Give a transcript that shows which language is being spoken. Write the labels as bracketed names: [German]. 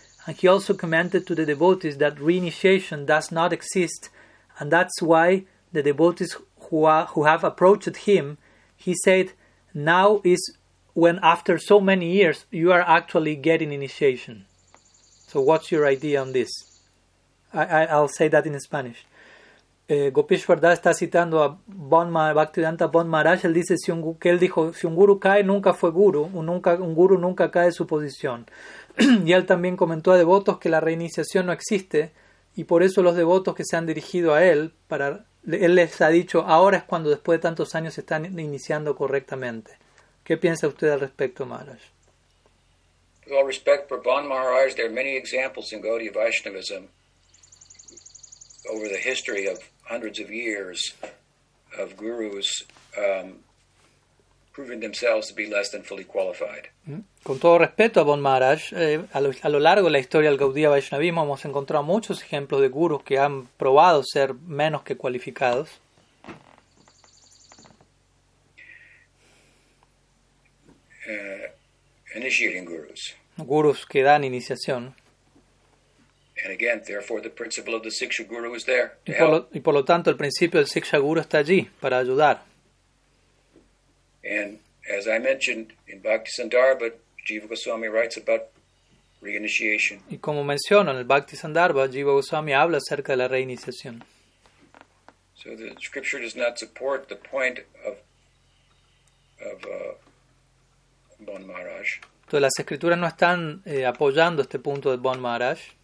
[English] And he also commented to the devotees that reinitiation does not exist, and that's why the devotees who have approached him, he said, now is when after so many years you are actually getting initiation. So what's your idea on this? I'll say that in Spanish. [Spanish] Gopishwar Das está citando a Bhaktivedanta Bodhmaharaj. Él dice que él dijo, si un guru cae, nunca fue guru. Un guru nunca cae de su posición. Y él también comentó a devotos que la reiniciación no existe. Y por eso los devotos que se han dirigido a él, para, él les ha dicho, ahora es cuando después de tantos años se están iniciando correctamente. ¿Qué piensa usted al respecto, Maharaj? [English] With all respect for Bon Maharaj, there are many examples in Gaudiya Vaishnavism over the history of hundreds of years of gurus proving themselves to be less than fully qualified. [Spanish] Con todo respeto a Bon Maharaj, a lo largo de la historia del Gaudiya Vaishnavismo hemos encontrado muchos ejemplos de gurus que han probado ser menos que cualificados. [English] Initiating gurus. [Spanish] Gurus que dan iniciación. [English] And again, therefore, the principle of the Siksha Guru is there. [Spanish] Y por lo tanto, el principio del Siksha Guru está allí para ayudar. [English] And as I mentioned in Bhaktisandarbha, Jiva Goswami writes about reinitiation. [Spanish] Y como menciono en el Bhaktisandarbha, Jiva Goswami habla acerca de la reiniciación. [English] So the scripture does not support the point of Bon Maharaj. [Spanish] Entonces las escrituras no están apoyando este punto de Bon Maharaj.